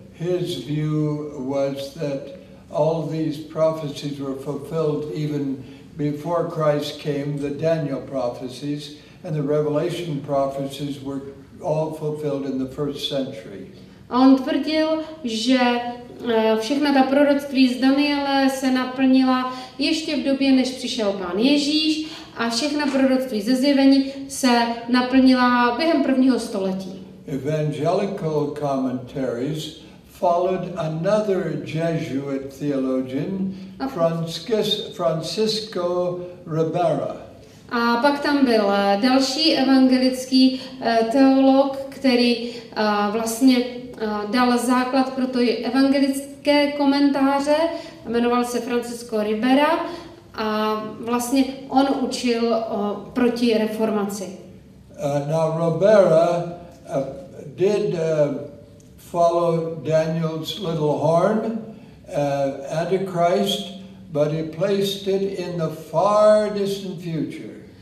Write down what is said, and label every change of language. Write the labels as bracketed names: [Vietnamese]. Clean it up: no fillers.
[English] His view was that all these prophecies were fulfilled even before Christ came, the Daniel prophecies and the Revelation prophecies were all fulfilled in the first century. [Czech] On tvrdil, že všechna ta proroctví z Daniela se naplnila ještě v době, než přišel Pán Ježíš, a všechna proroctví ze Zjevení se naplnila během prvního století. [English] Evangelical commentaries followed another Jesuit theologian, Francisco Ribera. [Czech] A pak tam byl další evangelický teolog, který vlastně dal základ pro to evangelické komentáře, jmenoval se Francisco Ribera a vlastně on učil proti reformaci. [English] Now Ribera did follow Daniel's little horn, Antichrist, but he placed it in the far distant future.